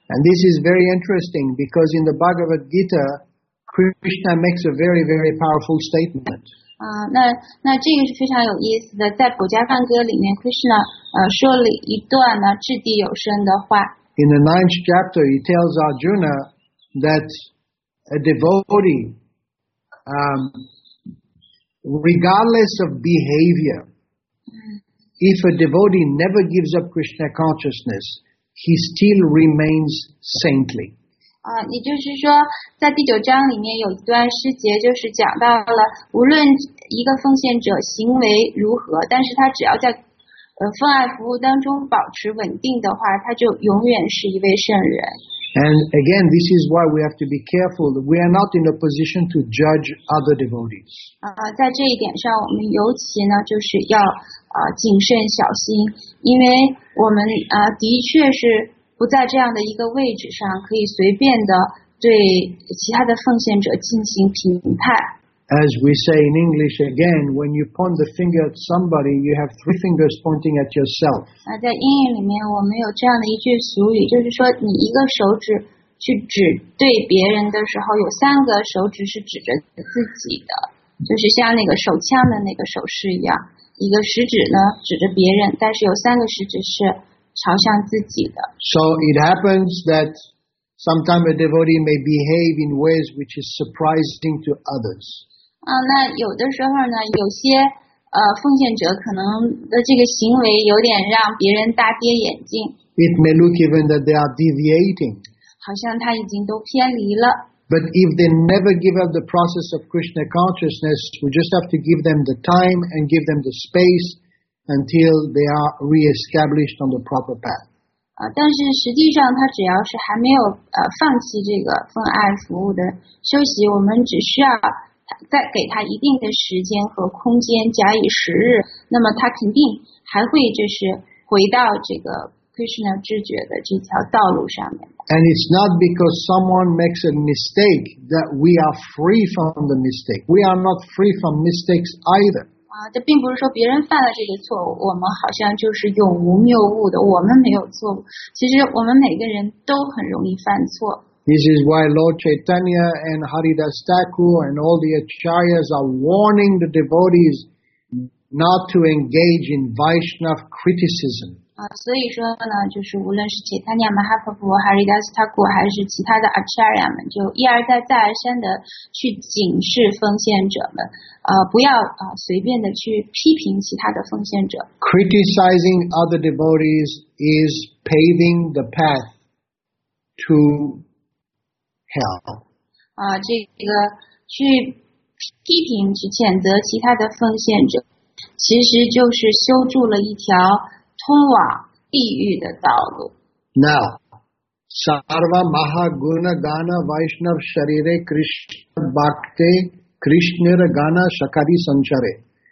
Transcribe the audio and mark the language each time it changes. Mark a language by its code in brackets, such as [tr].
[en] And this is very interesting because in the Bhagavad Gita, Krishna makes a very, very powerful statement. [zh] 那这个是非常有意思的，在《普迦梵歌》里面 ，Krishna 说了一段呢掷地有声的话。 [en] In the ninth chapter, he tells Arjuna that a devotee, regardless of behavior, if a devotee never gives up Krishna consciousness, he still remains saintly. [zh] 也就是说，在第九章里面有一段诗节，就是讲到了无论一个奉献者行为如何，但是他只要在奉爱服务当中保持稳定的话，他就永远是一位圣人。 [en] And again, this is why we have to be careful. We are not in a position to judge other devotees. [zh] 在这一点上，我们尤其呢，就是要谨慎小心，因为我们的确是不在这样的一个位置上，可以随便的对其他的奉献者进行评判。 [en] As we say in English again, when you point the finger at somebody, you have three fingers pointing at yourself. [zh] 在英语里面，我们有这样的一句俗语，就是说，你一个手指去指对别人的时候，有三个手指是指着自己的，就是像那个手枪的那个手势一样。一个食指呢指着别人，但是有三个食指是朝向自己的。 [en] So it happens that sometimes a devotee may behave in ways which is surprising to others. [zh] 那有的时候呢，有些奉献者可能的这个行为有点让别人大跌眼镜。 [en] It may look even that they are deviating. [zh] 好像他已经都偏离了。 [en] But if they never give up the process of Krishna consciousness, we just have to give them the time and give them the space until they are re-established on the proper path. [zh] 但是实际上他只要是还没有放弃这个奉爱服务的休息，我们只需要再给他一定的时间和空间，假以时日，那么他肯定还会就是回到这个Krishna 知觉的这条道路上面。 [en] And it's not because someone makes a mistake that we are free from the mistake. We are not free from mistakes either. [zh] 这并不是说别人犯了这个错误，我们好像就是永无谬误的，我们没有错误。其实我们每个人都很容易犯错。 [en] This is why Lord Chaitanya and Haridas Thakur and all the Acharyas are warning the devotees not to engage in Vaishnav criticism. [zh] 所以说呢，就是无论是铁塔尼亚马哈佛普还是达斯塔古还是其他的阿查亚们，就一而再再而三的去警示奉献者们，不要随便的去批评其他的奉献者。 [en] Criticizing other devotees is paving the path to hell. [zh] 这个去批评去谴责其他的奉献者，其实就是修筑了一条通往地狱的道路。 [sa] Now, Sarva Mahaguna Gana Vaishnav Sharire Krishna Bhakte Krishna Gana Shakari Sanchare.